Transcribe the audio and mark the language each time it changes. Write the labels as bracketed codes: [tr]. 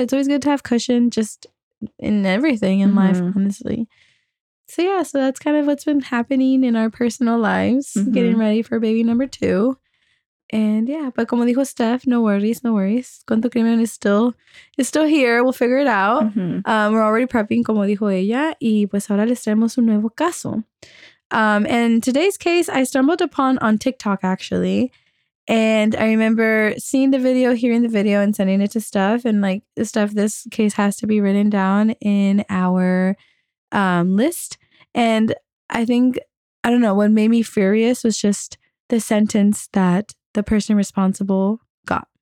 [en] It's always good to have cushion just in everything in mm-hmm. life, honestly. So yeah, so that's kind of what's been happening in our personal lives, mm-hmm. getting ready for baby number two. And yeah, but [es] como dijo Steph, [en] no worries. Cuento Crimen is still here. We'll figure it out. Mm-hmm. We're already prepping, [es] como dijo ella, y pues ahora les traemos un nuevo caso. [en] And today's case I stumbled upon on TikTok, actually. And I remember seeing the video, hearing the video, and sending it to Steph. And like, Steph, this case has to be written down in our list. And I think, I don't know, what made me furious was just the sentence that the person responsible got.